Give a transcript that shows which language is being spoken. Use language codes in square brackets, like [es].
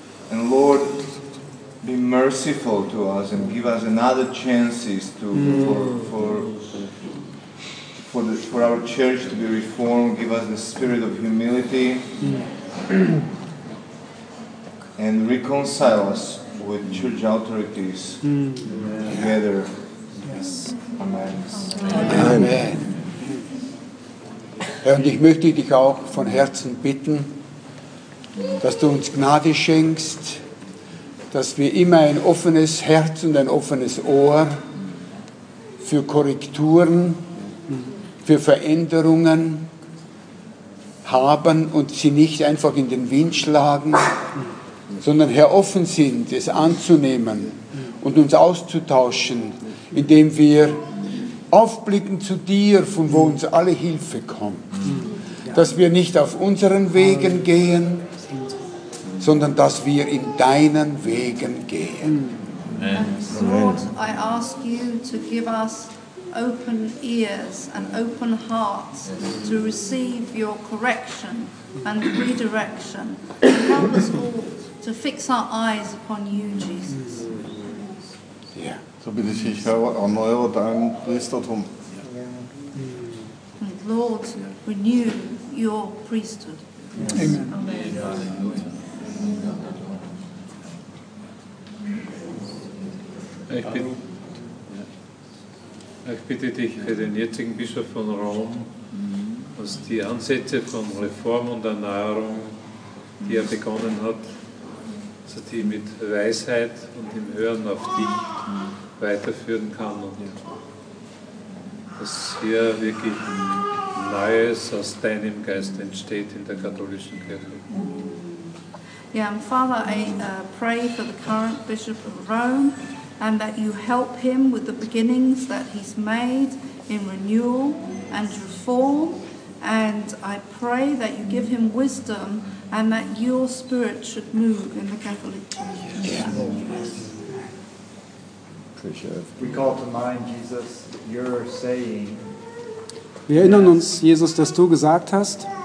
[en] And Lord, be merciful to us and give us another chances to for for our church to be reformed, give us the spirit of humility and reconcile us with church authorities together. Yes. Amen. Amen. Amen. [de] Herr, und ich möchte dich auch von Herzen bitten, dass du uns Gnade schenkst, dass wir immer ein offenes Herz und ein offenes Ohr für Korrekturen, für Veränderungen haben und sie nicht einfach in den Wind schlagen, sondern Herr, offen sind, es anzunehmen und uns auszutauschen, indem wir aufblicken zu dir, von wo uns alle Hilfe kommt. Dass wir nicht auf unseren Wegen gehen, sondern dass wir in deinen Wegen gehen. [en] Lord, I ask you to give us open ears and open hearts to receive your correction and redirection. Help us all to fix our eyes upon you, Jesus. [de] Ja. So bitte ich, ich höre, erneuere dein Priestertum. [en] And Lord, renew your priesthood. Yes. Amen. [de] Ich bitte dich für den jetzigen Bischof von Rom, dass die Ansätze von Reform und Erneuerung, die er begonnen hat, dass die mit Weisheit und im Hören auf dich weiterführen kann und dass hier wirklich Neues aus deinem Geist entsteht in der katholischen Kirche. [en] Yeah, and Father, I pray for the current Bishop of Rome and that you help him with the beginnings that he's made in renewal and reform. And I pray that you give him wisdom and that your spirit should move in the Catholic Church. Yeah. We call to mind, Jesus, your saying. [de] Wir erinnern uns, Jesus, dass du gesagt hast.